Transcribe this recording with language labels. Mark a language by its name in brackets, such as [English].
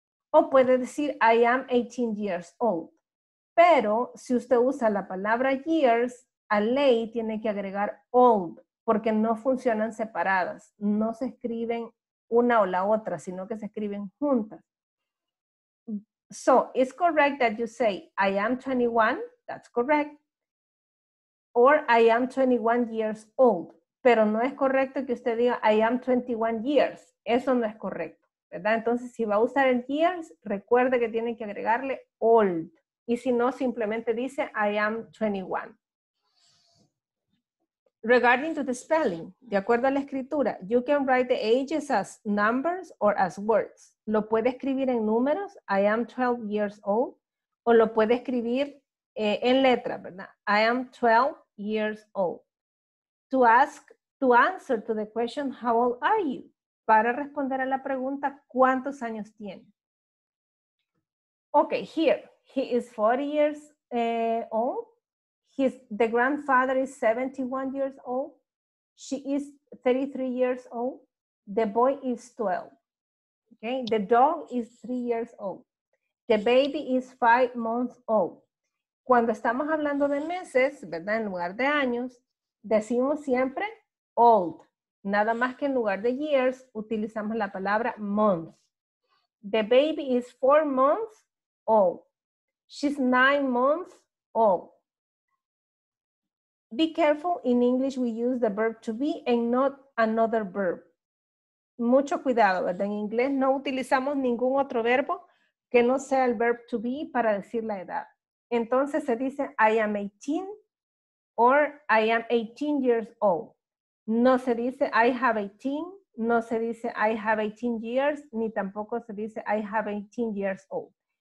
[Spanish] O puede decir, [English] I am 18 years old. [Spanish] Pero si usted usa la palabra years, a ley tiene que agregar old, porque no funcionan separadas. No se escriben una o la otra, sino que se escriben juntas. [English] So, it's correct that you say, I am 21. That's correct. Or, I am 21 years old. [Spanish] Pero no es correcto que usted diga, [English] I am 21 years. [Spanish] Eso no es correcto, ¿verdad? Entonces, si va a usar el years, recuerde que tiene que agregarle old. Y si no, simplemente dice, I am 21. [English] Regarding to the spelling, [Spanish] de acuerdo a la escritura, [English] you can write the ages as numbers or as words. [Spanish] Lo puede escribir en números, [English] I am 12 years old, [Spanish] o lo puede escribir en letras, ¿verdad? [English] I am 12 years old. To answer to the question, how old are you? [Spanish] Para responder a la pregunta, ¿cuántos años tiene? [English] Ok, here, he is 40 years old. The grandfather is 71 years old. She is 33 years old. The boy is 12. Okay, the dog is 3 years old. The baby is 5 months old. [Spanish] Cuando estamos hablando de meses, ¿verdad? En lugar de años, decimos siempre old. Nada más que en lugar de years, utilizamos la palabra months. [English] The baby is 4 months old. She's 9 months old. Be careful, in English we use the verb to be and not another verb. [Spanish] Mucho cuidado, ¿verdad? En inglés no utilizamos ningún otro verbo que no sea el verb to be para decir la edad. Entonces se dice [English] I am 18 or I am 18 years old. [Spanish] No se dice, [English] I have 18, [Spanish] No se dice [English] I have 18 years, [Spanish] ni tampoco se dice [English] I have 18 years old.